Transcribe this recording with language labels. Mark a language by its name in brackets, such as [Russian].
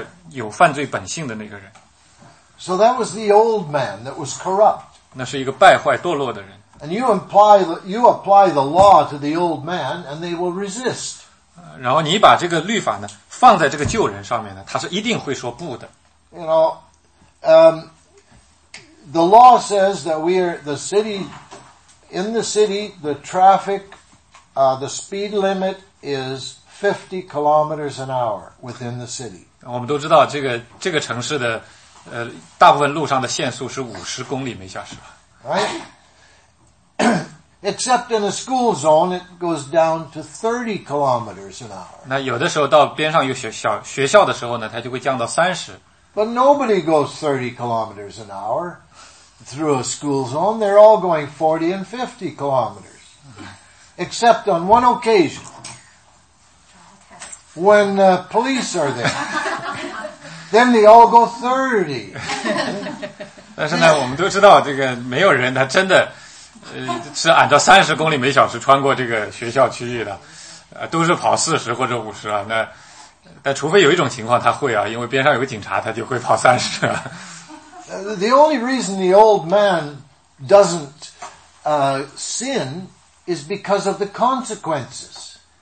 [Chinese] 所以这里22节我们原文其实是旧人的意思，那旧人是从哪里来？就是从亚当里来的，这就是我们在有犯罪本性的那个人。 [English] So that was the old man that was corrupt. [Chinese] 那是一个败坏堕落的人。 [English] And you apply the law to the old man and they will resist. [Chinese] 然后你把这个律法呢放在这个旧人上面呢，他是一定会说不的。 [English] The law says that we are the city. In the city, the traffic, the speed limit is 50 kilometers an hour within the city. [Chinese] 我们都知道这个城市的大部分路上的限速是50公里每小时吧。 [English] Right? Except in a school zone, it goes down to 30 kilometers an hour. [Chinese] 那有的时候到边上有学校的时候呢，它就会降到30。 [English] But nobody goes 30 kilometers an hour. Through a school zone, they're all going 40 and 50 kilometers. Except on one occasion. When police are there. Then they all go 30. [Chinese] 但是呢，我们都知道这个没有人他真的是按照30公里每小时穿过这个学校区域的，都是跑40或者50啊。但除非有一种情况他会啊，因为边上有个警察，他就会跑30。 [English] The only reason the old man doesn't sin is because of the consequences.